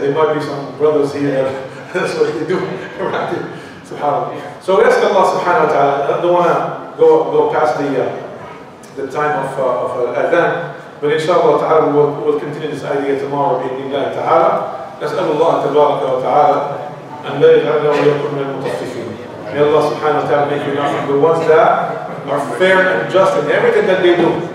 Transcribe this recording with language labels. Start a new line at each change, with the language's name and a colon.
English: There might be some brothers here. That's what they do.
Arabic: سبحان الله.
English: So we ask Allah Subhanahu wa Taala. I don't want to go past the time of Adhan. But inshallah ta'ala, we'll continue this idea tomorrow
Arabic: بإذن الله
English: ta'ala.
Arabic: نسأل الله تبارك وتعالى أن لا يجعلنا ويكون من المتصفين.
English: May Allah subhanahu wa ta'ala make you not from the ones that are fair and just in everything that they do.